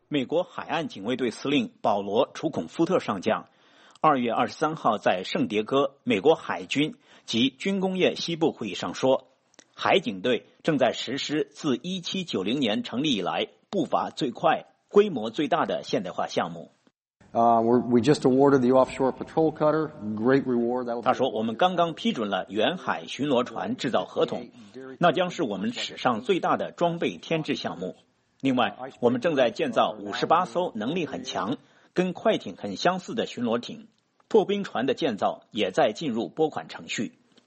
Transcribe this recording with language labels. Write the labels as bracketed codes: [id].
[zh] 美国海岸警卫队司令保罗·楚孔夫特上将2月23号在圣迭戈美国海军及军工业西部会议上说，海警队正在实施自1790年成立以来步伐最快、规模最大的现代化项目。 [en] We just awarded the offshore patrol cutter, great reward. [zh] 他说，我们刚刚批准了远海巡逻船制造合同，那将是我们史上最大的装备添置项目。另外，我们正在建造58艘能力很强、跟快艇很相似的巡逻艇，破冰船的建造也在进入拨款程序。